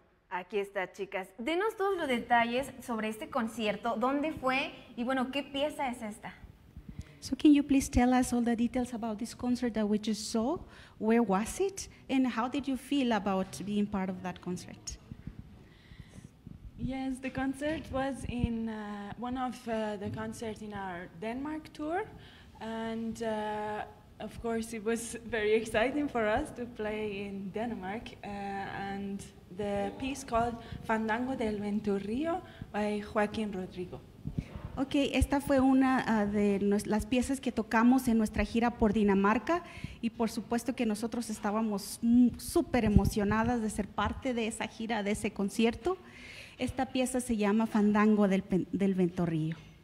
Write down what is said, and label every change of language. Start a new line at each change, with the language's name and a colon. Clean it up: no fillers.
Spanish: Aquí está, chicas. Denos todos los detalles sobre este concierto, dónde fue y bueno, qué pieza es esta.
English: So can you please tell us all the details about this concert that we just saw? Where was it and how did you feel about being part of that concert? Yes, the concert was in one of the concerts in our Denmark tour, and of course it was very exciting for us to play in Denmark, and the piece called Fandango del Venturrio by Joaquín Rodrigo.
Spanish: Okay, esta fue una de las piezas que tocamos en nuestra gira por Dinamarca, y por supuesto que nosotros estábamos súper emocionadas de ser parte de esa gira, de ese concierto. Esta pieza se llama Fandango del Venturrio.